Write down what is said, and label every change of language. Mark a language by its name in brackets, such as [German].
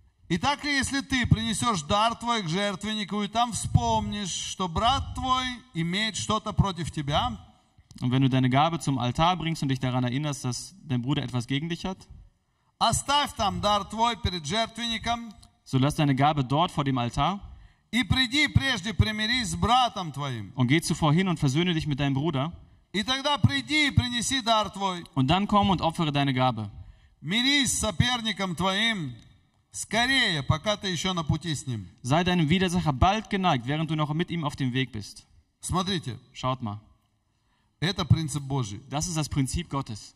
[Russian] Итак, если ты принесешь дар твой к жертвеннику, и там вспомнишь, что брат твой имеет что-то против тебя, [German] und wenn du deine Gabe zum Altar bringst und dich daran erinnerst, dass dein Bruder etwas gegen dich hat, [Russian] оставь там дар твой перед жертвенником, [German] so lass deine Gabe dort vor dem Altar, [Russian] и приди прежде, примирись с братом твоим, [German] und geh zuvor hin und versöhne dich mit deinem Bruder, [Russian] и тогда приди и принеси дар твой, [German] und dann komm und opfere deine Gabe, [Russian] мирись с соперником твоим, скорее, пока ты еще на пути с ним. [German] Sei deinem Widersacher bald geneigt, während du noch mit ihm auf dem Weg bist. [Russian] Смотрите, [German] schaut mal. [Russian] Это принцип Божий. [German] Das ist das Prinzip Gottes,